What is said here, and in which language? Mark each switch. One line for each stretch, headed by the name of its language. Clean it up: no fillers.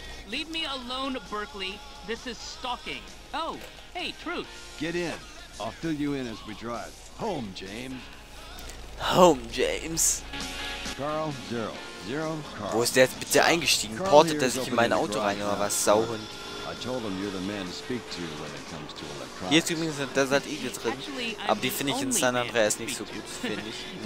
English: Leave me alone, Berkeley. This is stalking. Oh, hey, Truth. Get in. I'll fill you in as we drive. Home, James. Home, James. Carl, Zero. Zero, Carl.
German: Wo ist der jetzt bitte eingestiegen? Portet er sich in mein Auto rein, oder was? Sauhund.
English: I told him you're the man to speak to when it comes to electronics.
German: Hier ist übrigens ein Desert Eagle drin. Aber die finde ich in San Andreas nicht so gut, finde ich.